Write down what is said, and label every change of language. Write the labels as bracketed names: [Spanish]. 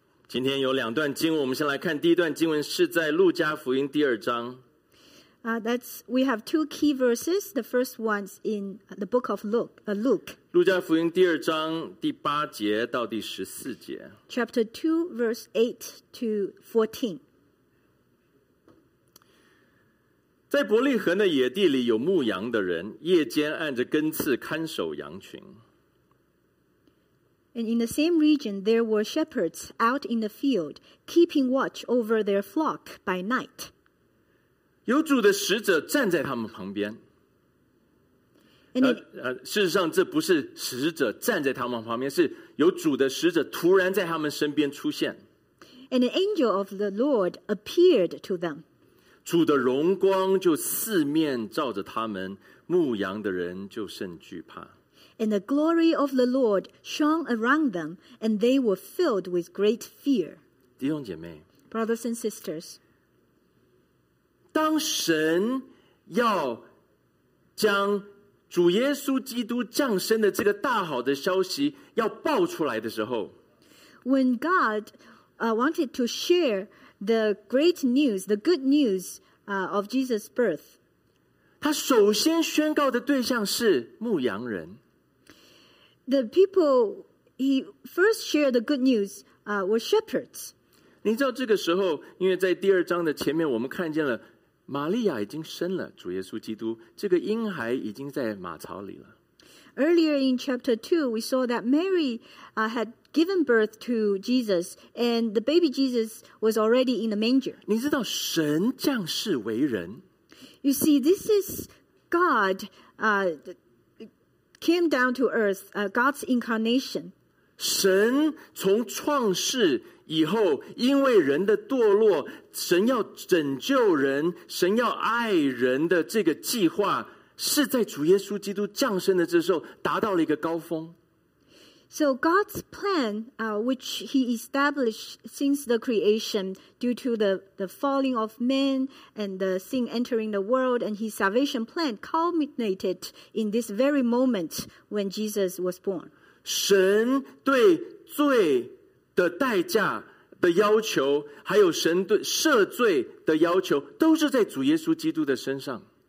[Chinese] 今天有两段经文，我们先来看第一段经文是在路加福音第二章。 [English] We have two key verses. The first one's in the book of Luke. [Chinese] 路加福音第二章第八节到第十四节。 [English] Chapter 2, verse 8 to 14. [Chinese] 在伯利恒的野地里有牧羊的人，夜间按着根刺看守羊群。 [English] And in the same region, there were shepherds out in the field, keeping watch over their flock by night. [Chinese] 有主的使者站在他们旁边。事实上，这不是使者站在他们旁边，是有主的使者突然在他们身边出现。 [English] And an angel of the Lord appeared to them. [Chinese] 主的荣光就四面照着他们，牧羊的人就甚惧怕。 [English] And the glory of the Lord shone around them, and they were filled with great fear. [Chinese] 弟兄姐妹 [English] ，Brothers and sisters， [Chinese] 当神要将主耶稣基督降生的这个大好的消息要报出来的时候 [English] ，When God wanted to share。 The great news, the good news of Jesus' birth. [Chinese] 他首先宣告的对象是牧羊人。 [English] The people he first shared the good news were shepherds. [Chinese] 你知道这个时候，因为在第二章的前面，我们看见了玛利亚已经生了主耶稣基督，这个婴孩已经在马槽里了。 [English] Earlier in chapter 2, we saw that Mary had. Given birth to Jesus, and the baby Jesus was already in the manger. [Chinese] 你知道神降世为人。 [English] You see, this is God came down to earth, God's incarnation. [Chinese] 神从创世以后，因为人的堕落，神要拯救人，神要爱人的这个计划，是在主耶稣基督降生的这时候达到了一个高峰。 [English] So God's plan, which He established since the creation due to the falling of man and the sin entering the world and His salvation plan culminated in this very moment when Jesus was born. [Chinese] 神对罪的代价的要求还有神对赦罪的要求都是在主耶稣基督的身上。